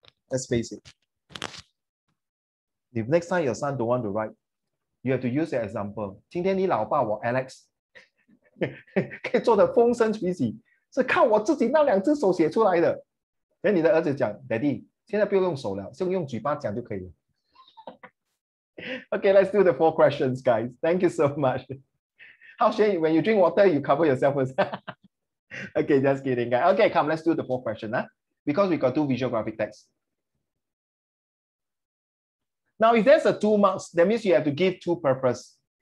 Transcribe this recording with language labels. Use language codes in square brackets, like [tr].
[en] Let's face it. If next time your son don't want to write, You have to use the example. [zh] 今天你老爸我 Alex 可以做得风生水起，是靠我自己那两只手写出来的。然后你的儿子讲， Daddy， 现在不用用手了，是用嘴巴讲就可以了。 [en] Okay, let's do the four questions, guys. Thank you so much. Haoxuan, when you drink water, you cover yourself first. Okay, just kidding, guys. Okay, come, let's do the four questions. Huh? Because we got two visual graphic texts. Now, if there's a two marks, that means you have to give two purpose.